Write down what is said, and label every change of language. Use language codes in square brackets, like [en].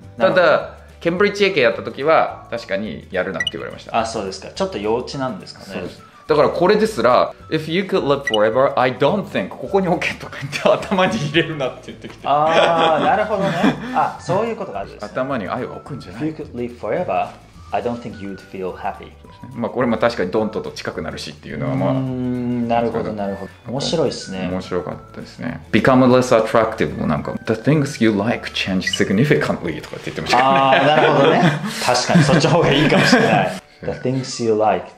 [ja] ただケンブリッジ英検やった時は確かにやるなって言われました。あ、そうですか。ちょっと幼稚なんですかね。そうです。だからこれですら [en] If you could live forever, I don't think [ja] ここに OK とか言って頭に入れるなって言ってきて、ああなるほどね、あそういうことがあるですね、頭に愛を置くんじゃない、 [en] If you could live forever, I don't think you'd feel happy、 [ja] まあこれも確かに don't と近くなるしっていうのは、まあ、なるほどなるほど、面白いですね、面白かったですね、 [en] Become less attractive [ja] もなんか [en] The things you like change significantly [ja] とかって言ってましたね、ああなるほどね確かにそっちの方がいいかもしれない [en] The things you like.